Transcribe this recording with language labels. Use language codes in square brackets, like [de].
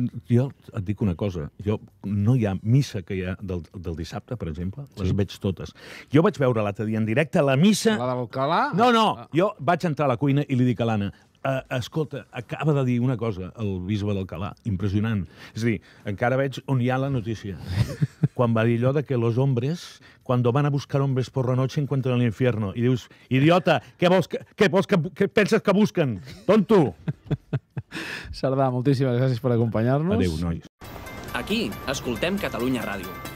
[ca] Jo et dic una cosa, jo no hi ha missa que hi ha del dissabte, per exemple, sí, les veig totes. Jo vaig veure l'altre dia en directe la missa... La d'Alcalà? No, no, jo vaig entrar a la cuina i li dic a l'Anna, escolta, acaba de dir una cosa el bisbe d'Alcalà, impressionant. És a dir, encara veig on hi ha la notícia. Quan va dir allò de que [es] los hombres, cuando van a buscar hombres por la noche, encuentran el infierno. [ca] I dius, idiota, què penses que busquen? Tonto! Cerdà, moltíssimes gràcies per acompanyar-nos. Adéu, nois. Aquí escoltem Catalunya Ràdio.